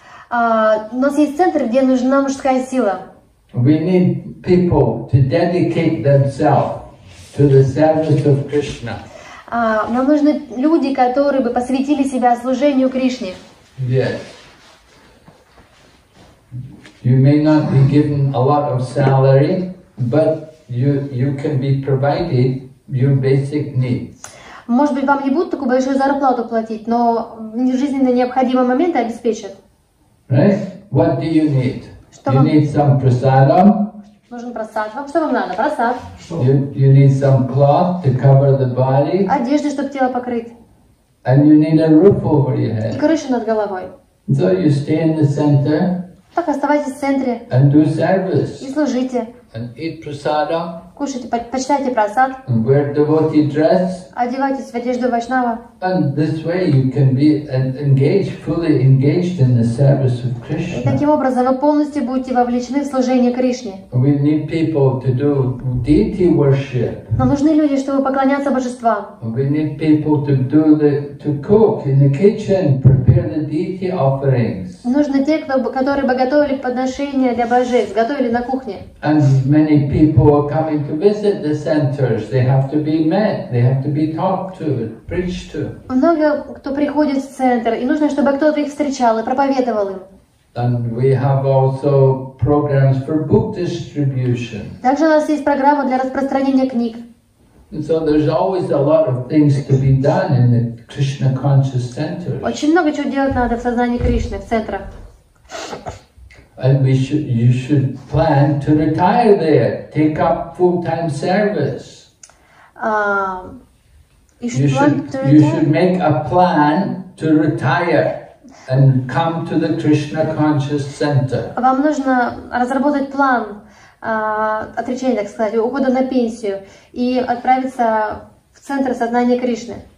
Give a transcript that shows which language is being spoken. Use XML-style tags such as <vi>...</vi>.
<ru>У нас есть центр, где нужна мужская сила.</ru> <en>We need people to dedicate themselves to the service of Krishna.</en> <ru>Нам нужны люди, которые бы посвятили себя служению Кришне.</ru> <en>Yes. You may not be given a lot of salary, but you can be provided your basic needs.</en> <ru>Может быть, вам не будут такую большую зарплату платить, но жизненно необходимые моменты обеспечат.</ru> <en>Right? What do you need?</en> <ru>Что</ru> <en>you</en> <ru>вам...</ru> <en>need some prasadam?</en> <ru>Нужен прасад. Вам что вам надо? Прасад.</ru> <en>You need some cloth to cover the body.</en> <ru>Одежды, чтобы тело покрыть.</ru> <en>And you need a roof over your head.</en> <ru>И крыша над головой.</ru> <en>So you stay in the center.</en> <ru>Так, оставайтесь в центре.</ru> <en>And do service.</en> <ru>И служите.</ru> <en>And eat prasadam.</en> <ru>Кушайте, почитайте прасад.</ru> <en>And wear devotee dress.</en> <ru>Одевайтесь в одежду вайшнава.</ru> <en>And this way you can be engaged, fully engaged in the service of Krishna.</en> <ru>И таким образом вы полностью будете вовлечены в служение Кришне.</ru> <en>We need people to do deity worship.</en> <ru>Нам нужны люди, чтобы поклоняться божествам.</ru> <en>We need people to do to cook in the kitchen, prepare the deity offerings.</en> <ru>Нужны те, которые бы готовили подношения для божеств, готовили на кухне.</ru> <en>And many people are coming to visit the centers, they have to be met, they have to be talked to, preached to.</en> <ru>Много кто приходит в центр, и нужно, чтобы кто-то их встречал и проповедовал им.</ru> <en>And we have also programs for book distribution.</en> <ru>Также у нас есть программа для распространения книг.</ru> <en>And so there's always a lot of things to be done in the Krishna conscious centers.</en> <ru>Очень много чего делать надо в сознании Кришны, в центрах.</ru> <en>And you should plan to retire there, take up full-time service. You should make a plan to retire and come to the Krishna Conscious Center.</en> <ru>Вам нужно разработать план отречения, так сказать, ухода на пенсию и отправиться в центр сознания Кришны.</ru>